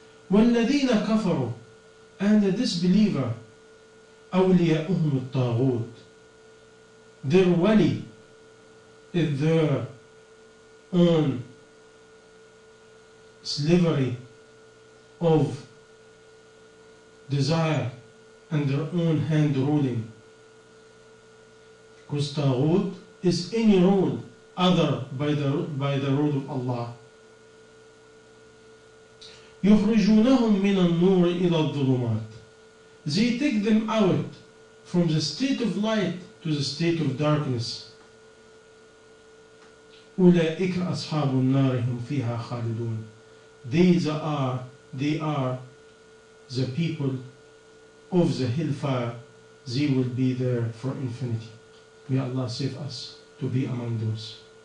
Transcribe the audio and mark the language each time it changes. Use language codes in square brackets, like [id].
[ar] وَالَّذِينَ كَفَرُوا [en] and the disbeliever, [ar] أَوْلِيَاؤُهُمُ الطَّاغُوتِ, [en] their wali is their own slavery of desire and their own hand ruling. Because طاغوت is any rule other by the rule of Allah. [ar] يخرجونهم من النور إلى الظلمات. [en] They take them out from the state of light to the state of darkness. [ar] أولئك أصحاب النار هم فيها خالدون. [en] They are the people of the hellfire. They will be there for infinity. May Allah save us to be among those.